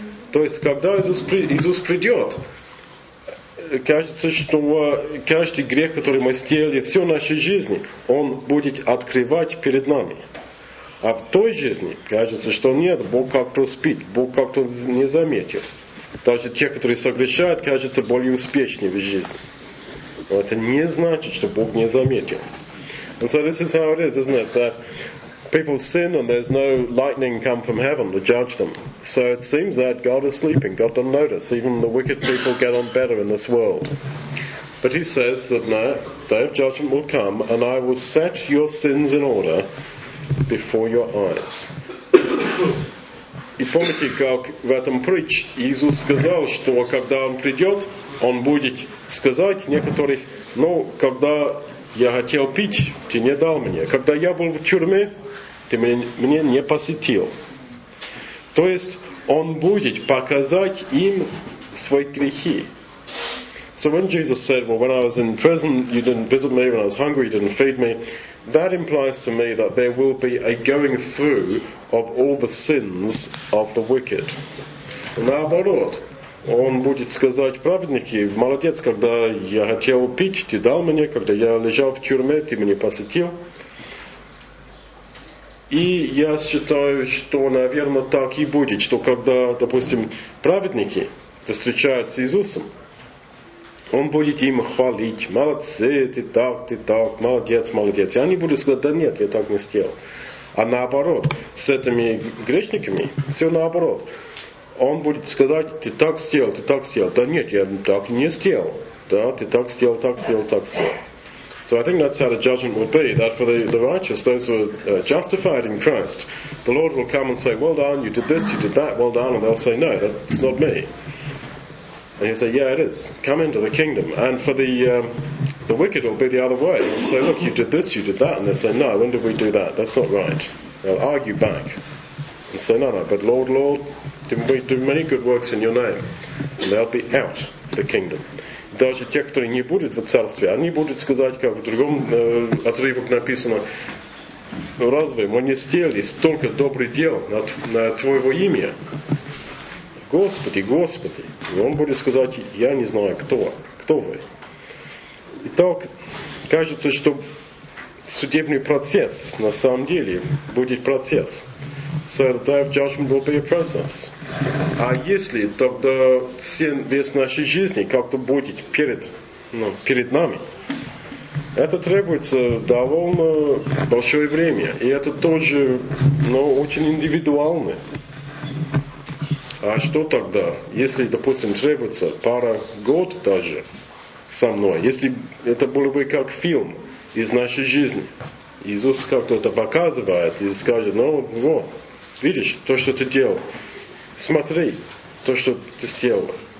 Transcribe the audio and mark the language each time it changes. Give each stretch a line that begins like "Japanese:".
Russian: То есть, когда Иисус придет, кажется, что каждый грех, который мы сделали всю нашу жизнь, Он будет открывать перед нами. А в той жизни, кажется, что нет, Бог как-то спит, Бог как-то не заметил. Даже те, которые согрешают, кажутся более успешными в жизни. Но это не значит, что Бог не заметил.
English: And so this is how it is, isn't it, that people sin and there's no lightning come from heaven to judge them. So it seems that God is sleeping, God doesn't notice. Even the wicked people get on better in this world. But he says that no, day of judgment will come and I will set your sins in order before your eyes.
Russian: И помните, как в этом притч Иисус сказал, что когда Он придет, Он будет сказать некоторых, ну, когда я хотел пить, ты не дал мне. Когда я был в тюрьме, ты мне не посетил. То есть Он будет показать им свои грехи.
English: So when Jesus said, well, when I was in prison, you didn't visit me, when I was hungry, you didn't feed me, that implies to me that there will be a going through of all the sins of the wicked.
Russian: Наоборот, Он будет сказать праведнике, молодец, когда я хотел пить, ты дал мне, когда я лежал в тюрьме, ты меня посетил. И я считаю, что, наверное, так и будет, что когда, допустим, праведники встречаются с Иисусом, Он будет им хвалить. Молодцы, ты так, молодец, молодец. И они будут сказать, да нет, я так не сделал. А наоборот, с этими грешниками, все наоборот. Он будет сказать, ты так сделал, ты так сделал. Да нет, я так не сделал. Да, ты так сделал, так сделал, так сделал.
English: So I think that's how the judgment will be, that for the righteous, those who are justified in Christ, the Lord will come and say, well done, you did this, you did that, well done, and they'll say, no, that's not me. And he'll say, yeah, it is. Come into the kingdom. And for the wicked, it'll be the other way. He'll say, look, you did this, you did that. And they'll say, no, when did we do that? That's not right. They'll argue back. And say, no, no, but Lord, Lord, didn't we do many good works in your name? And they'll be out of the kingdom.
Russian: Даже те, которые не будут в царстве, они будут сказать, как в другом отрывок написано, ну разве мы не сделали столько добрых дел на твоего имя? Господи, Господи. И он будет сказать, я не знаю, кто вы. Итак, кажется, что судебный процесс на самом деле будет процесс.
English: So the day of judgment will be a process.
Russian: А если тогда весь нашей жизни как-то будет перед нами, это требуется довольно большое время. И это тоже, ну, очень индивидуально. А что тогда, если, допустим, требуется пара год даже со мной, если это было бы как фильм из нашей жизни, Иисус как-то это показывает и скажет, ну вот, видишь, то, что ты делал, смотри, то, что ты сделал.